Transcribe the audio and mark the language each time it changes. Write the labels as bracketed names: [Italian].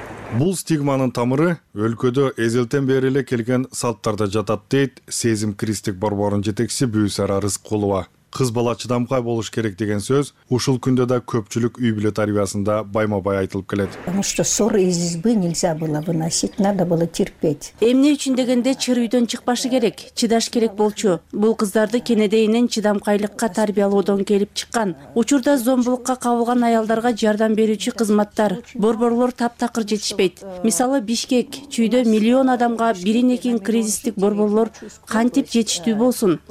[Kyrgyz] Бул стигманын тамыры өлкөдө эзелтен бери эле келген салттарда жатат, дейт Сезим Кристик борборунун жетекчиси Бүйсара Рыскулова. Кыз бала чыдамкай болуш керек деген сөз ушул күндө да көпчүлүк үй-бүлө тарбиясында байма-бай айтылып келет. [Russian] Потому что ссоры из избы нельзя было выносить, надо было терпеть. [Kyrgyz] Эмне үчүн дегенде чыр үйдөн чыкпашы керек, чыдаш керек болчу. Бул кыздарды кенедейинен чыдамкайлыкка тарбиялоодон келип чыккан. Учурда зомбулукка кабылган аялдарга жардам берүүчү кызматтар, борборлор таптакыр жетишпейт. Мисалы, Бишкек, чүйдө миллион адамга бирин-экин кризистик борборлор кантип жетиштүү болсун?